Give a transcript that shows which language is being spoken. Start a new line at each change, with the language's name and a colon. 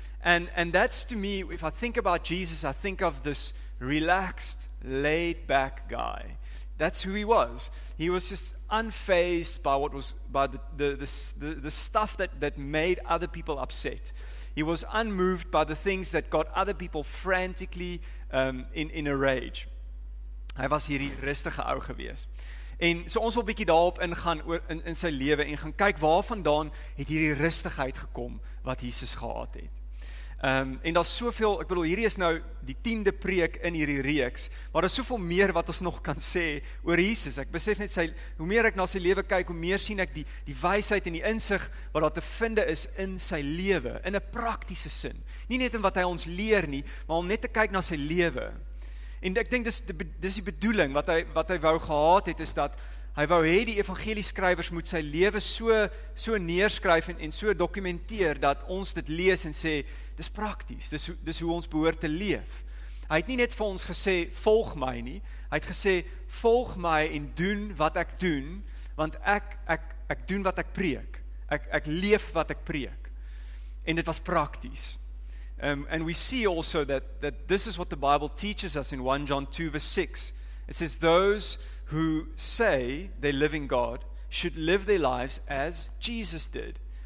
English: And that's, to me, if I think about Jesus, I think of this relaxed, laid back guy. That's who he was. He was just unfazed by what was by the stuff that made other people upset. He was unmoved by the things that got other people frantically in a rage.
Afrikaans: Hy was hierdie rustige ou gewees. En so ons wil bietjie daarop ingaan oor in sy lewe en gaan kyk waar vandaan het hierdie rustigheid gekom wat Jesus gehad het. En daar's soveel, ek bedoel, hierdie is nou die 10de preek in hierdie reeks, maar daar's soveel meer wat ons nog kan sê oor Jesus. Ek besef net sy, hoe meer ek na sy lewe kyk, hoe meer sien ek die wysheid en die insig wat daar te vind is in sy lewe, in 'n praktiese sin. Nie net in wat hy ons leer nie, maar om net te kyk na sy lewe. En ek dink dis die bedoeling, wat hy wou gehad het, is dat hy wou hê die evangelieskrywers moet sy lewe so neerskryf en so dokumenteer, dat ons dit lees en sê, dis prakties, dis hoe ons behoort te leef. Hy het nie net vir ons gesê, volg my nie, hy het gesê, volg my en doen wat ek doen, want ek doen wat ek preek, ek leef wat ek preek. En dit was prakties.
English: And we see also that this is what the Bible teaches us in 1 John 2 verse 6. It says, those who say they live in God should live their lives as Jesus did.